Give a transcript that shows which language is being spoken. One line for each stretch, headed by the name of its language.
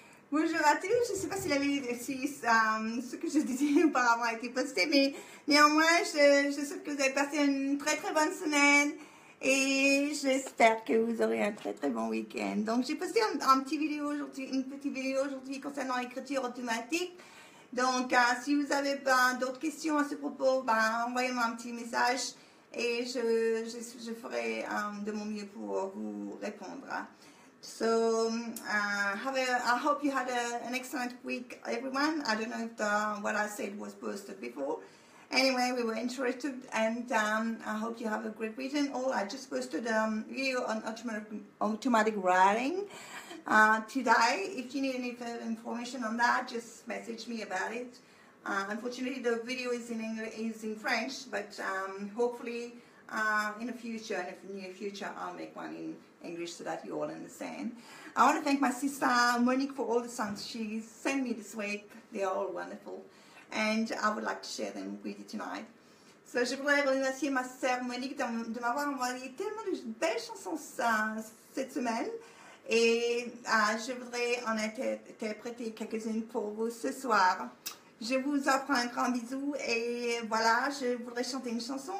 French: Bonjour à tous, je ne sais pas si la vie d'exercice, ce que je disais auparavant a été posté, mais néanmoins, je souhaite que vous avez passé une très très bonne semaine et j'espère que vous aurez un très très bon week-end. Donc j'ai posté une petite vidéo aujourd'hui concernant l'écriture automatique. Donc si vous avez d'autres questions à ce propos, envoyez-moi un petit message et je ferai de mon mieux pour vous répondre.
English: So, I hope you had an excellent week, everyone. I don't know if what I said was posted before. Anyway, we were interested, and I hope you have a great weekend. Oh, I just posted a video on automatic writing today. If you need any further information on that, just message me about it. Unfortunately, the video is in English, is in French, but hopefully, in the future, I'll make one in English so that you all understand. I want to thank my sister Monique for all the songs she sent me this week. They are all wonderful, and I would like to share them with you tonight.
French: So, je voudrais remercier ma sœur Monique de m'avoir envoyé tellement de belles chansons cette semaine, et je voudrais en interpréter quelques-unes pour vous ce soir. Je vous offre un grand bisou et voilà, je voudrais chanter une chanson.